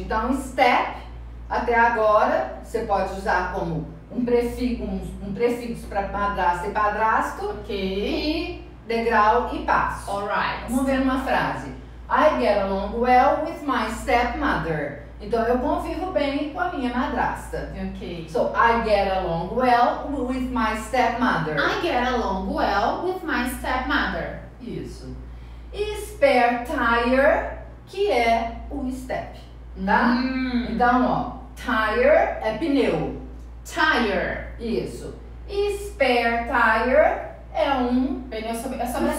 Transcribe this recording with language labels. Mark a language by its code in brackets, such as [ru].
[pt] Então, step, até agora, você pode usar como um prefixo, um prefixo para madrasta e padrasto. Ok. E degrau e passo. [en] Alright. [pt] Vamos ver uma frase. [en] I get along well with my stepmother. [pt] Então, eu convivo bem com a minha madrasta. Ok. [en] So, I get along well with my stepmother. I get along well with my stepmother. [pt] Isso. E spare tire, que é o step, tá? Então, ó, tire é pneu. [en] Tire. [pt] Isso. E spare tire é um... pneu sobressalente.